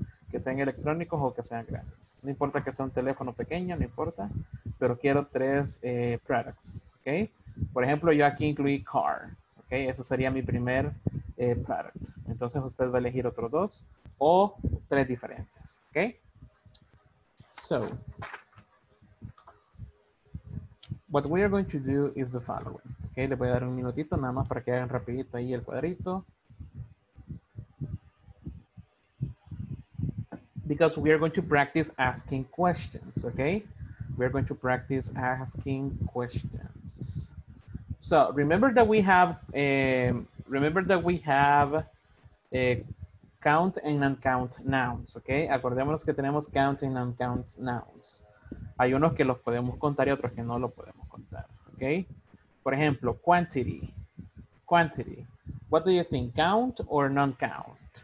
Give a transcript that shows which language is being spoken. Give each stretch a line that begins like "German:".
Spanish: Que sean electrónicos o que sean grandes. No importa que sea un teléfono pequeño, no importa. Pero quiero tres products, ¿ok? Por ejemplo, yo aquí incluí car, ¿ok? Eso sería mi primer product. Entonces usted va a elegir otros dos o tres diferentes, ¿ok?
English: So, what we are going to do is the following, ¿ok?
Spanish: Le voy a dar un minutito nada más para que hagan rapidito ahí el cuadrito.
English: Because we are going to practice asking questions, okay? We are going to practice asking questions. So remember that we have count and uncount nouns, okay?
Spanish: Acordémonos que tenemos
English: count and uncount nouns.
Spanish: Hay unos que los podemos contar y otros que no los podemos contar, okay? Por ejemplo, quantity.
English: What do you think, count or non-count?